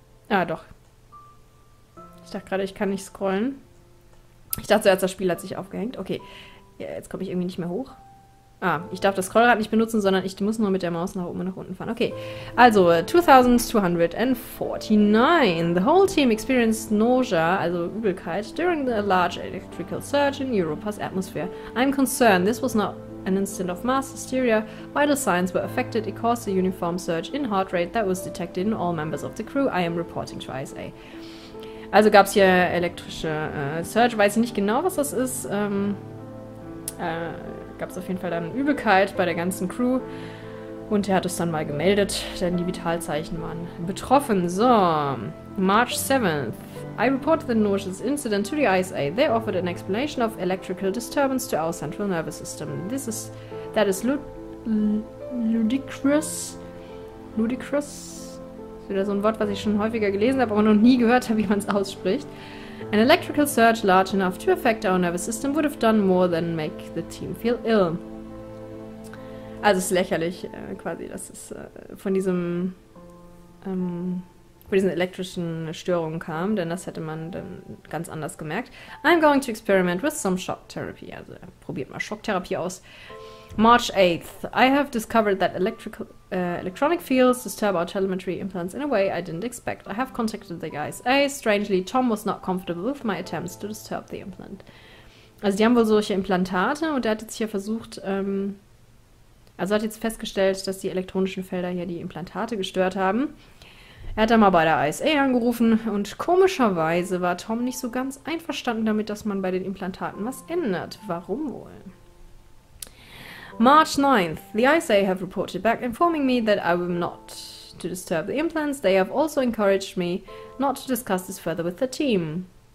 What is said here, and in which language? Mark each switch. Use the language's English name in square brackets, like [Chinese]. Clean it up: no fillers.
[German] Ah, doch. Ich dachte gerade, ich kann nicht scrollen. Ich dachte zuerst, das Spiel hat sich aufgehängt. Okay, ja, jetzt komme ich irgendwie nicht mehr hoch. Ah, ich darf das Scrollrad nicht benutzen, sondern ich muss nur mit der Maus nach oben und nach unten fahren. Okay, also 2249. [English] The whole team experienced nausea, [German] also Übelkeit, [English] during the large electrical surge in Europa's atmosphere. I'm concerned. This was not an incident of mass hysteria. Vital signs were affected. It caused a uniform surge in heart rate that was detected in all members of the crew. I am reporting to ISA. [German] Also gab es hier elektrische Surge. Weiß ich nicht genau, was das ist. Gab es auf jeden Fall dann Übelkeit bei der ganzen Crew. Und er hat es dann mal gemeldet, denn die Vitalzeichen waren betroffen. [English] So, March 7th. I reported the nauseous incident to the ISA. They offered an explanation of electrical disturbance to our central nervous system. That is ludicrous. Ludicrous? [German] Das ist wieder so ein Wort, was ich schon häufiger gelesen habe, aber noch nie gehört habe, wie man es ausspricht. [English] An electrical surge large enough to affect our nervous system would have done more than make the team feel ill. [German] Also es ist lächerlich, quasi, dass es von diesen elektrischen Störungen kam, denn das hätte man dann ganz anders gemerkt. [English] I'm going to experiment with some shock therapy. [German] Also er probiert mal Schocktherapie aus. [English] March 8th. I have discovered that electronic fields disturb our telemetry implants in a way I didn't expect. I have contacted the guys. Strangely, Tom was not comfortable with my attempts to disturb the implant. [German] Also die haben wohl solche Implantate und er hat jetzt hier versucht, also hat jetzt festgestellt, dass die elektronischen Felder hier die Implantate gestört haben. Er hat dann mal bei der ISA angerufen und komischerweise war Tom nicht so ganz einverstanden damit, dass man bei den Implantaten was ändert. Warum wohl? March 9th. [English] The ISA have reported back informing me that I will not to disturb the implants. They have also encouraged me not to discuss this further with the team.